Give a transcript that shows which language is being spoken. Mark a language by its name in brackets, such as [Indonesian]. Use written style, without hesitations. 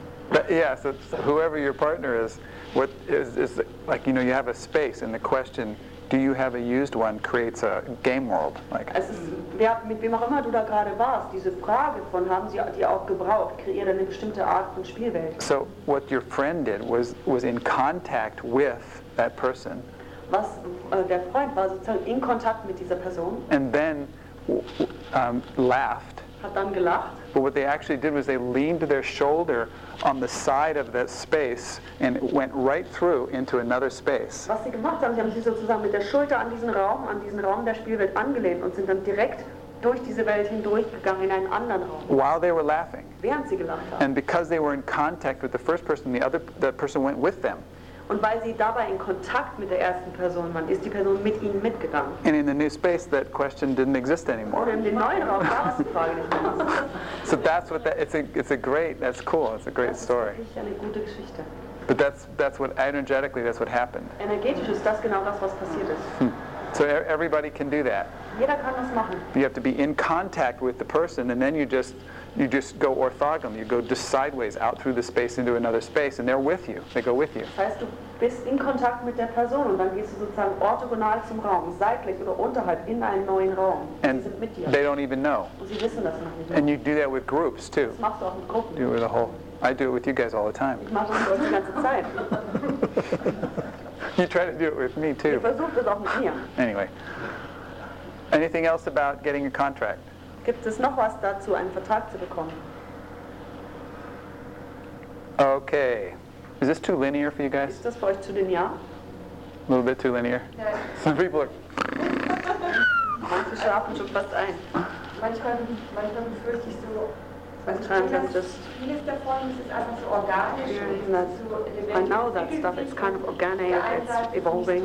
[English] But yeah, so whoever your partner is, what is like, you know, you have a space, and the question, do you have a used one, creates a game world. Like, [German] es ist, wer, mit wem auch immer du da gerade warst, diese Frage von, haben sie die auch gebraucht, kreiert eine bestimmte Art von Spielwelt. [English] So what your friend did was in contact with that person. [German] Was der Freund war sozusagen in Kontakt mit dieser Person. [English] And then laughed. [German] Hat dann gelacht. [English] But what they actually did was they leaned their shoulder on the side of that space and it went right through into another space. [German] Was sie gemacht haben, sie haben sich sozusagen mit der Schulter an diesen Raum der Spielwelt angelehnt und sind dann direkt durch diese Welt hindurchgegangen in einen anderen Raum. [English] While they were laughing. [German] Während sie gelacht haben. [English] And because they were in contact with the first person, the person went with them. [German] Und weil sie dabei in Kontakt mit der ersten Person waren, ist die Person mit ihnen mitgegangen. [English] And in the new space, that question didn't exist anymore. [German] Und in dem neuen Raum war es die Frage nicht mehr. [English] So that's what that, that's cool, it's a great story. [German] Das ist wirklich eine gute Geschichte. [English] But that's what, energetically, that's what happened. [German] Energetisch ist das genau das, was passiert ist. [English] So everybody can do that. [German] Jeder kann das machen. [English] You have to be in contact with the person, and then you just go orthogonal. You go just sideways out through the space into another space, and they're with you. They go with you. [German] Das heißt, du bist in Kontakt mit der Person, und dann gehst du sozusagen orthogonal zum Raum, seitlich oder unterhalb in einen neuen Raum. [English] And [German] sie sind mit dir. [English] They don't even know. [German] Und sie wissen das noch nicht. [English] And you do that with groups too. [German] Das machst du auch mit Gruppen. [English] Do it with a whole. I do it with you guys all the time. [German] Ich mache das die ganze Zeit. [English] You try to do it with me too. [German] Versucht es auch mit mir. [English] Anyway, anything else about getting a contract? [German] Gibt es noch was dazu, einen Vertrag zu bekommen? [English] Okay, is this too linear for you guys? [German] Ist das für euch zu linear? [English] A little bit too linear. [German] Ja. [English] Some people are. [German] Manche schlafen schon fast ein. Manchmal befürchte ich so. [English] I know that stuff is kind of organic, it's evolving.